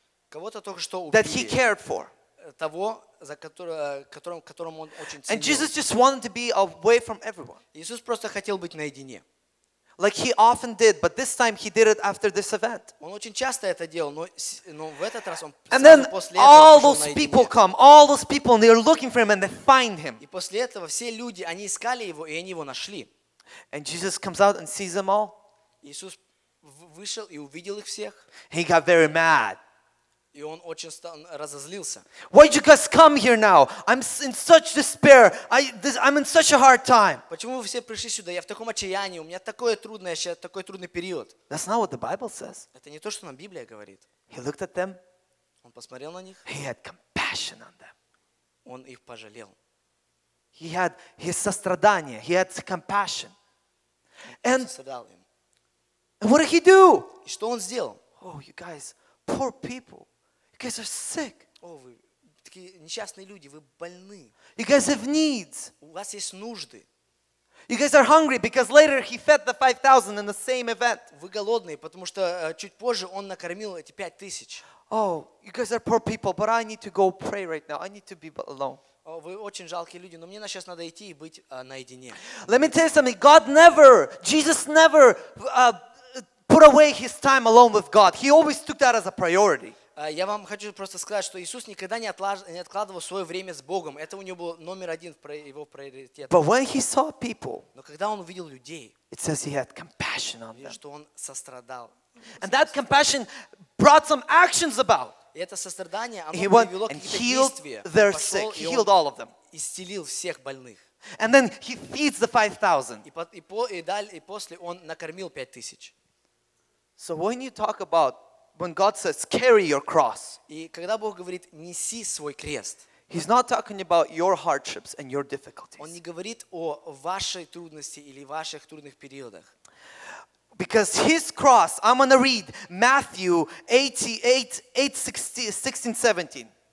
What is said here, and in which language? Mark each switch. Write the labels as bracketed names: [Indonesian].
[Russian] Кого-то только что убили. [English] That he cared for. [Russian] Того, за которому он очень ценил. [English] And Jesus just wanted to be away from everyone. [Russian] Иисус просто хотел быть наедине. [English] Like he often did, but this time he did it after this event. [Russian] Он очень часто это делал, но в этот раз он. [English] And then all those people come, all those people, and they are looking for him, and they find him. [Russian] И после этого все люди, они искали его, и они его нашли. [English] And Jesus comes out and sees them all. [Russian] Иисус вышел и увидел их всех. [English] He got very mad. [Russian] И он очень разозлился. [English] Why did you guys come here now? I'm in such despair. I'm in such a hard time. [Russian] Почему вы все пришли сюда? Я в таком отчаянии. У меня такое трудное, сейчас такой трудный период. [English] That's not what the Bible says. [Russian] Это не то, что нам Библия говорит. [English] He looked at them. [Russian] Он посмотрел на них. [English] He had compassion on them. [Russian] Он их пожалел. [English] He had his сострадание. He had compassion. And what did he do? [Russian] И что он сделал? [English] Oh, you guys, poor people. You guys are sick. [Russian] О, вы такие несчастные люди. Вы больны. [English] You guys have needs. [Russian] У вас есть нужды. [English] You guys are hungry because later he fed the 5,000 in the same event. [Russian] Вы голодные, потому что чуть позже он накормил эти 5,000. [English] Oh, you guys are poor people, but I need to go pray right now. I need to be alone. [Russian] Вы очень жалкие люди, но мне сейчас надо идти и быть наедине. [English] Let me tell you something. God never, Jesus never put away his time alone with God. He always took that as a priority. [Russian] Я вам хочу просто сказать, что Иисус никогда не откладывал свое время с Богом. Это у него был номер один в его приоритетах. [English] But when he saw people, [Russian] но когда он увидел людей, [English] it says he had compassion on them. [Russian] Что он сострадал. [English] And that compassion brought some actions about. [Russian] И это сострадание, оно [English] he went [Russian] привело [English] and healed their sick. He healed all of them. [Russian] Исцелил всех больных. [English] And then he feeds the 5,000. [Russian] И после он накормил 5,000. [English] So when you talk about When God says, carry your cross. [Russian] И когда Бог говорит, неси свой крест. [English] He's not talking about your hardships and your difficulties. [Russian] Он не говорит о вашей трудности или ваших трудных периодах. [English] Because his cross, I'm going to read Matthew 8:16-17.